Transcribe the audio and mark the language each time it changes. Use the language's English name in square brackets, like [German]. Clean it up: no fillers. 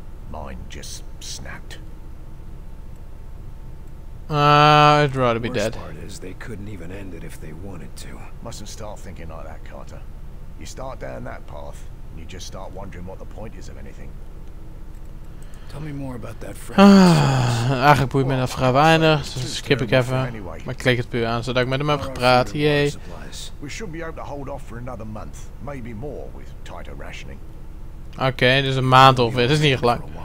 [English] Mine just snapped. I'd rather be dead. The worst part is they couldn't even end it if they wanted to. Mustn't start thinking like that, Carter. You start down that path, and you just start wondering what the point is of anything. Tell me more about that friend. [Dutch] Eigenlijk boeit me dat vrij weinig, dus skip ik even. Maar ik klik het puur aan zodat ik met hem heb gepraat. Jee. [English] We should be able to hold off for another month, maybe more with tighter rationing. [Dutch] Oké, dus een maand of weer. Dat is niet gelijk.